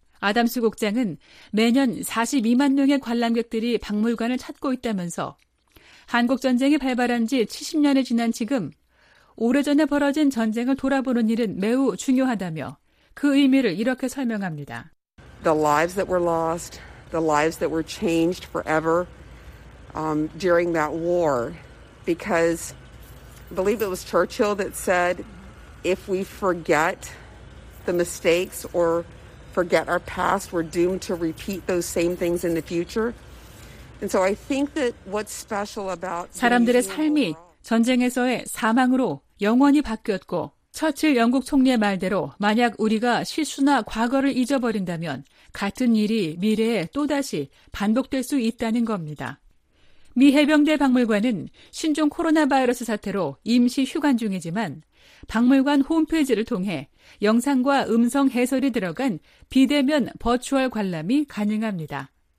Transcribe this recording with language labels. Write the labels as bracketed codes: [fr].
[ko] 아담스 국장은 매년 42만 명의 관람객들이 박물관을 찾고 있다면서 한국전쟁이 발발한 지 70년이 지난 지금 오래전에 벌어진 전쟁을 돌아보는 일은 매우 중요하다며 그 의미를 이렇게 설명합니다. [en] The lives that were lost, the lives that were changed forever during that war. Because I believe it was Churchill that said, if we forget the mistakes or forget our past, we're doomed to repeat those same things in the future. And so I think that what's special about [ko] 사람들의 삶이 전쟁에서의 사망으로 영원히 바뀌었고 처칠 영국 총리의 말대로 만약 우리가 실수나 과거를 잊어버린다면 같은 일이 미래에 또다시 반복될 수 있다는 겁니다. 미 해병대 박물관은 신종 코로나 바이러스 사태로 임시 휴관 중이지만 박물관 홈페이지를 통해 영상과 음성 해설이 들어간 비대면 버추얼 관람이 가능합니다.